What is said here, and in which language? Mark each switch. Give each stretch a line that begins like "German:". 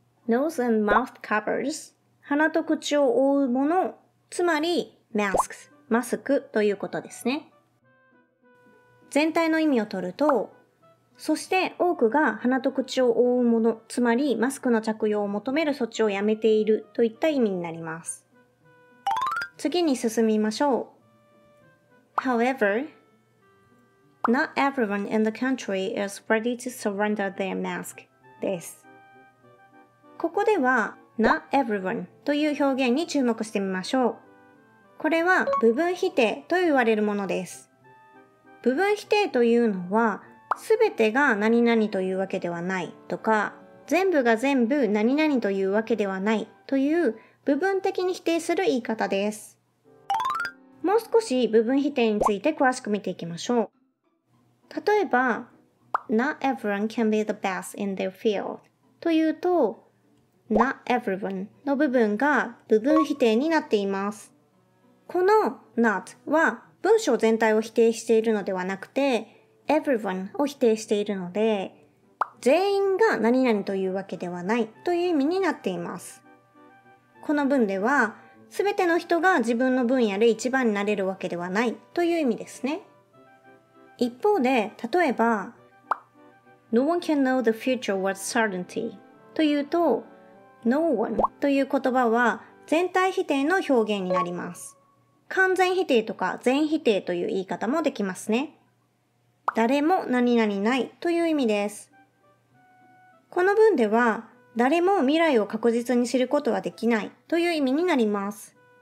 Japanese: nose and mouth covers、鼻と口を覆うもの、つまり masks、マスクということですね。全体の意味を取ると、そして多くが鼻と口を覆うもの、つまりマスクの着用を求める措置をやめているといった意味になります。次に進みましょう。
English: However, not everyone in the country is ready to surrender their mask です。
Japanese: ここでは、Not everyone という表現に注目してみましょう。これは部分否定と言われるものです。部分否定というのは、すべてが何々というわけではないとか、全部が全部何々というわけではないという部分的に否定する言い方です。もう少し部分否定について詳しく見ていきましょう。例えば、
English: Not everyone can be the best in their field
Japanese: というと、Not everyone の部分が部分否定になっています。この not は文章全体を否定しているのではなくて everyone を否定しているので全員が何々というわけではないという意味になっています。この文では全ての人が自分の分野で一番になれるわけではないという意味ですね。一方で例えば
English: No one can know the future with certainty
Japanese: というとNo one という言葉は全体否定の表現になります。完全否定とか全否定という言い方もできますね。誰も何々ないという意味です。この文では誰も未来を確実に知ることはできないという意味になります。